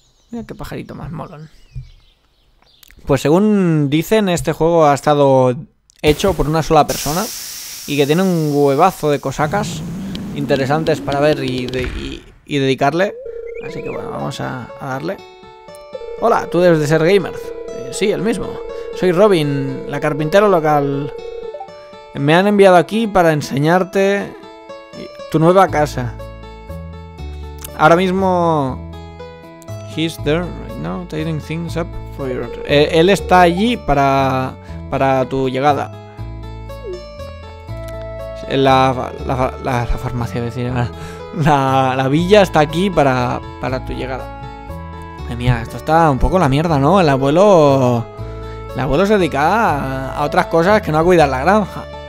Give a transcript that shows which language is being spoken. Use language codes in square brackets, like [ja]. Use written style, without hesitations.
[es] Mira qué pajarito más molón. Pues según dicen, este juego ha estado hecho por una sola persona y que tiene un huevazo de cosacas interesantes para ver y dedicarle. Así que bueno, vamos a darle. Hola, tú debes de ser Gamer. Sí, el mismo. Soy Robin, la carpintero local. Me han enviado aquí para enseñarte tu nueva casa. Ahora mismo... [en] He's there right now, tidying things up for your... [es] él está allí para tu llegada. La farmacia, es decir... La villa está aquí para tu llegada. Madre mía, esto está un poco la mierda, ¿no? El abuelo se dedica a otras cosas que no a cuidar la granja.